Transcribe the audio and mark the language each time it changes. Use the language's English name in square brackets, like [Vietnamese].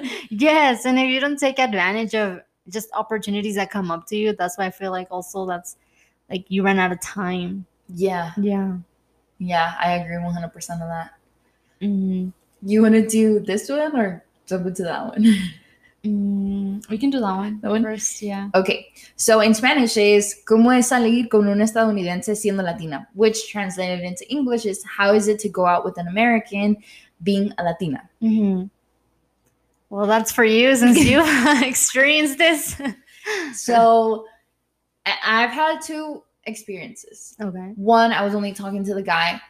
[English] yes, and if you don't take advantage of just opportunities that come up to you, that's why I feel like also that's like you run out of time. Yeah, I agree 100% on that. Mm-hmm. You want to do this one or jump into that one? We can do that one. That one first, yeah. Okay, so in Spanish is [Spanish] ¿cómo es salir con un estadounidense siendo latina? [English] Which translated into English is how is it to go out with an American being a Latina? Mm-hmm. Well, that's for you since you experienced this. So I've had two experiences. Okay. One, I was only talking to the guy.